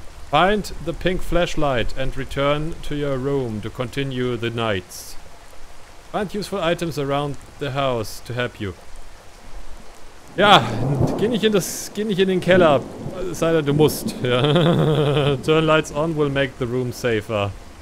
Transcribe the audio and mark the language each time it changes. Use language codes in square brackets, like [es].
[en] Find the pink flashlight and return to your room to continue the nights. Find useful items around the house to help you. [de] Ja, geh nicht in den Keller, sei denn du musst. Ja. [en] Turn lights on will make the room safer.